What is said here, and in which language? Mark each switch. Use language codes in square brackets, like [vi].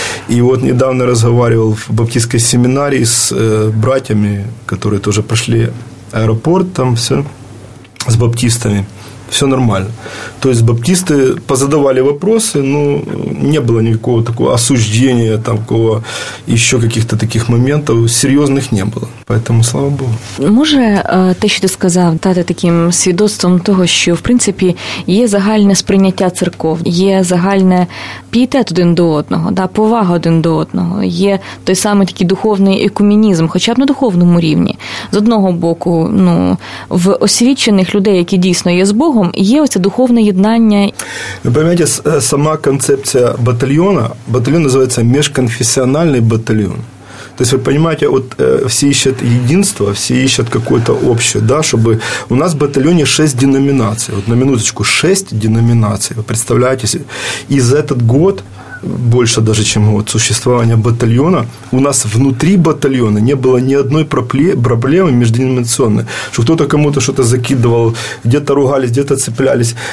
[ru] И вот недавно разговаривал в баптистской семинарии с братьями, которые тоже прошли аэропорт, там все, с баптистами. все нормально. То есть баптисты позадавали вопросы, но не было никакого такого осуждения, там, какого, еще каких-то таких моментов серьезных не было. Поэтому слава Богу. [uk] Може те, що ти сказав, стати таким свідоцтвом того, що в принципі є загальне сприйняття церков, є загальне пієтет один до одного, да, повага один до одного, є той самий такий духовний екумінізм, хоча б на духовному рівні. З одного боку, ну, в освічених людей, які дійсно є з Богом, є оце духовне єднання. Ви пам'ятаєте, сама концепція батальйона, батальйон називається міжконфесіональний батальйон. [ru] То есть, вы понимаете, вот все ищут единство, все ищут какое-то общее, да, чтобы... У нас в батальоне 6 деноминаций, вот на минуточку, 6 деноминаций, вы представляете себе? И за этот год, больше даже, чем вот существование батальона, у нас внутри батальона не было ни одной проблемы межденоминационной, что кто-то кому-то что-то закидывал, где-то ругались, где-то цеплялись.